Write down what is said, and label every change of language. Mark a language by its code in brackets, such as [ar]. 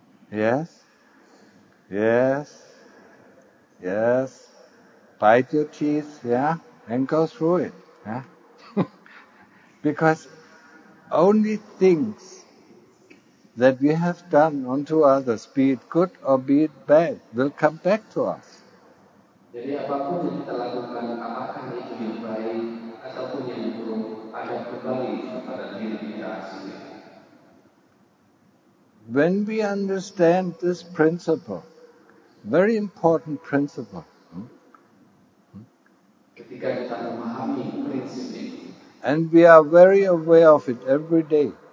[en] Yes, yes, yes. Bite your teeth, yeah, and go through it, yeah. Because only things that we have done unto others, be it good or be it bad, will come back to us. [id] Jadi apapun yang kita lakukan, apakah itu yang baik ataupun yang buruk, ada kembali kepada diri kita sendiri. [en] When we understand this principle, very important principle. [id] Ketika kita memahami prinsip ini. [en] And we are very aware of it every day.